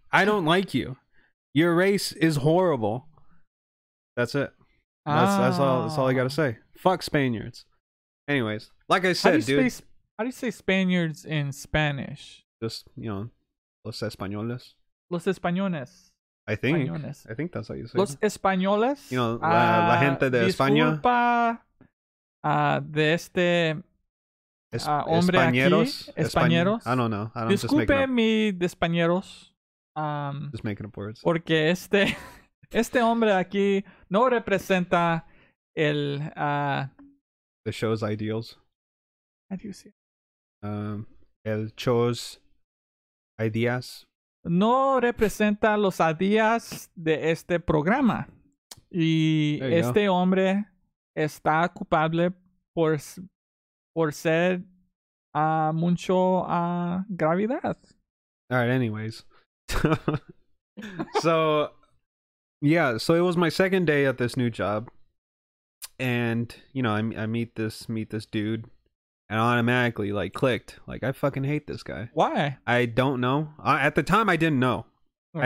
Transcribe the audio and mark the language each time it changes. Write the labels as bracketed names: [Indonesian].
[English] I don't like you. Your race is horrible. That's it. That's all I gotta say. Fuck Spaniards. Anyways, like I said, How do you say Spaniards in Spanish? Just, you know, [Spanish] los españoles. Los españoles. [English] I think that's how you say [Spanish] los españoles. [English] You know, [Spanish] la gente de España. Disculpa, de este hombre españeros, aquí. Españeros. [English] I don't know. [Spanish] Disculpe mi de españeros. [English] Just making up words. [Spanish] Porque este hombre aquí no representa el... [English] the show's ideals. How do you see it? El show's ideas. [Spanish] No representa los ideas de este programa. Y este hombre está culpable por ser mucho gravedad. [English] All right, anyways. So, yeah, so it was my second day at this new job. And, you know, I meet this dude. And automatically, like, clicked. Like, I fucking hate this guy. Why? I don't know. At the time, I didn't know. Okay.